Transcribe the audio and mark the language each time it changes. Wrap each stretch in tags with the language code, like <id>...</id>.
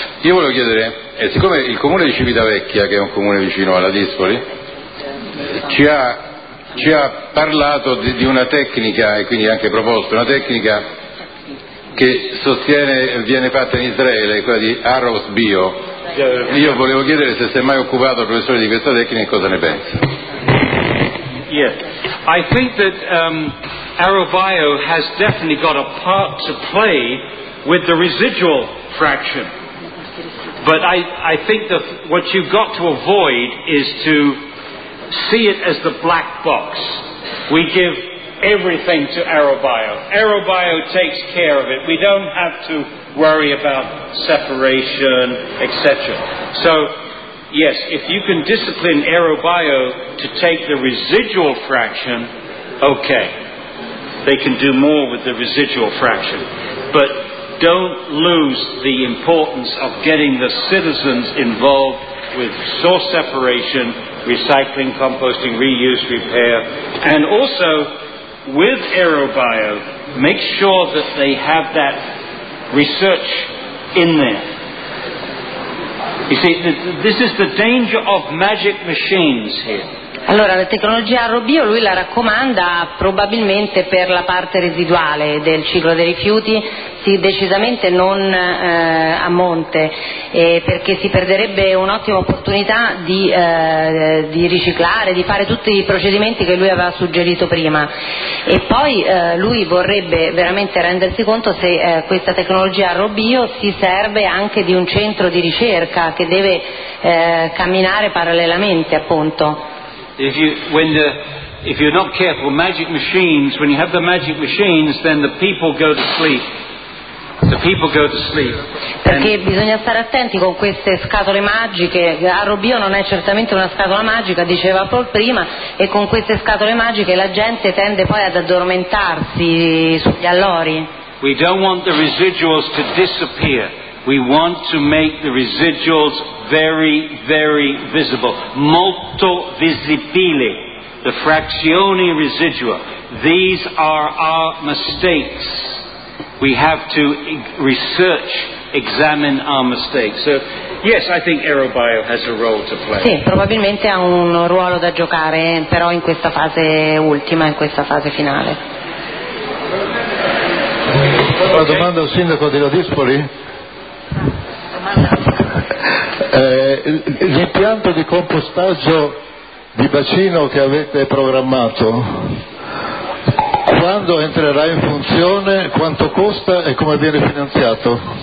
<it>Io volevo chiedere, siccome il comune di Civitavecchia, che è un comune vicino alla Dispoli, ci ha parlato di una tecnica, e quindi anche proposto una tecnica che sostiene viene fatta in Israele, quella di Arrows Bio, io volevo chiedere se si è mai occupato il professore di questa tecnica e cosa ne pensa.</it> <en>Yeah, I think that Arrowbio has definitely got a part to play with the residual fraction, but I think that what you've got to avoid is to see it as the black box. We give everything to Aerobio. Aerobio takes care of it. We don't have to worry about separation, etc. So, yes, if you can discipline Aerobio to take the residual fraction, okay. They can do more with the residual fraction. But don't lose the importance of getting the citizens involved with source separation, recycling, composting, reuse, repair, and also with Aerobio, make sure that they have that research in there. You see, this is the danger of magic machines here.</en> <it>Allora, la tecnologia Aerobio lui la raccomanda probabilmente per la parte residuale del ciclo dei rifiuti, sì, decisamente non a monte, perché si perderebbe un'ottima opportunità di riciclare, di fare tutti i procedimenti che lui aveva suggerito prima. E poi lui vorrebbe veramente rendersi conto se questa tecnologia Aerobio si serve anche di un centro di ricerca che deve camminare parallelamente, appunto.</it> <en>If you're not careful, magic machines, when you have the magic machines, then the people go to sleep. The people go to sleep.</en> <it>Perché bisogna stare attenti con queste scatole magiche. Aerobio non è certamente una scatola magica, diceva Paul prima, e con queste scatole magiche la gente tende poi ad addormentarsi sugli allori.</it> <en>We don't want the residuals to disappear. We want to make the residuals very, very visible.</en> <it>Molto visibili. The fractioni residua.</it> <en>These are our mistakes. We have to research, examine our mistakes. So, yes, I think Aerobio has a role to play.</en> <it>Sì, probabilmente ha un ruolo da giocare, però in questa fase ultima, in questa fase finale. Una domanda al sindaco di Ladispoli? L'impianto di compostaggio di bacino che avete programmato, quando entrerà in funzione, quanto costa e come viene finanziato?</it>